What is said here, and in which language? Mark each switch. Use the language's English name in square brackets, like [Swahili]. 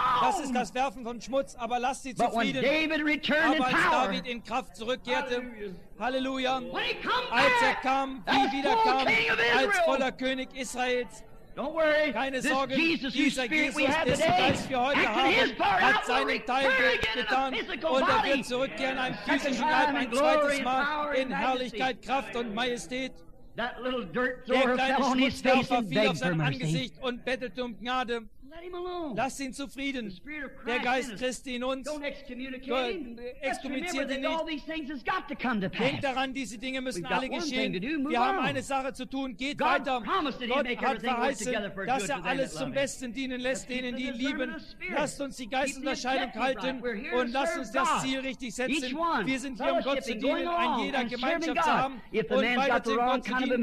[German] Das ist das Werfen von Schmutz, aber lasst sie zufrieden. Aber als David in Kraft zurückkehrte, Halleluja, als er kam, wie wieder kam, als voller König Israels, keine Sorge, dieser Jesus, dessen Geist wir heute haben, hat seinen Teil getan und er wird zurückkehren in einem physischen Leib, ein zweites Mal in Herrlichkeit, Kraft und Majestät. [English] That little dirt thrower fell on his face and begged for mercy. [German] Angesicht und bettelte um Gnade. [English] Let him alone. [German] Lass ihn zufrieden. Der Geist Christi in uns. [English] Don't excommunicate him. Let's remember that all these things has got to come to pass. [German] Denk daran, diese Dinge müssen alle geschehen. Wir haben eine Sache zu tun. Geht weiter. Gott hat verheißen, dass er alles zum Besten dienen lässt, denen, die ihn lieben. Lasst uns die Geistunterscheidung halten und lasst uns das Ziel richtig setzen. Wir sind hier, um Gott zu dienen, ein jeder Gemeinschaft zu haben und weiter zu Gott zu dienen.